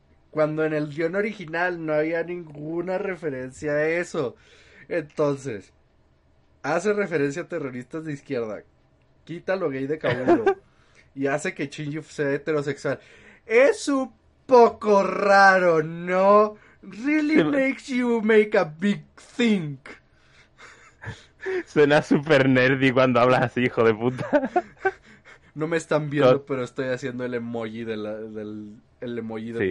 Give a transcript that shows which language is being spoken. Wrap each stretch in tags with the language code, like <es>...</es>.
<es>Cuando en el guion original no había ninguna referencia a eso. Entonces, hace referencia a terroristas de izquierda, quita lo gay de Kaburo y hace que Shinji sea heterosexual. Es un poco raro, ¿no?</es> <en>Really makes you make a big think.</en> <es>Suena super nerdy cuando hablas así, hijo de puta. No me están viendo, pero estoy haciendo el emoji el emoji de sí.</es>